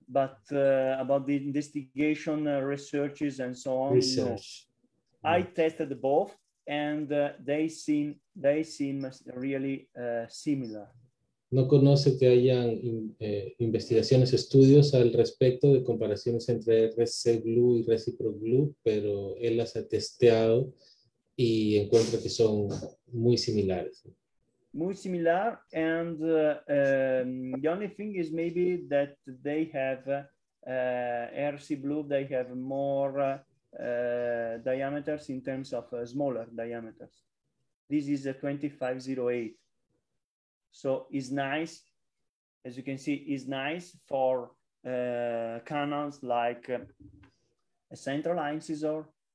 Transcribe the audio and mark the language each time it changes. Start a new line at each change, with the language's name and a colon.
English: But about the investigation, researches and so on. Research. No. I tested both, and they seem really similar.
Spanish: No conoce que hayan investigaciones, estudios al respecto de comparaciones entre RC Blue y Reciproc Blue, pero él las ha testeado y encuentra que son muy similares. Muy similar,
English: and the only thing is maybe that they have RC Blue, they have more diameters in terms of smaller diameters. This is a 2508. So it's nice, as you can see, it's nice for canals like a central line scissor.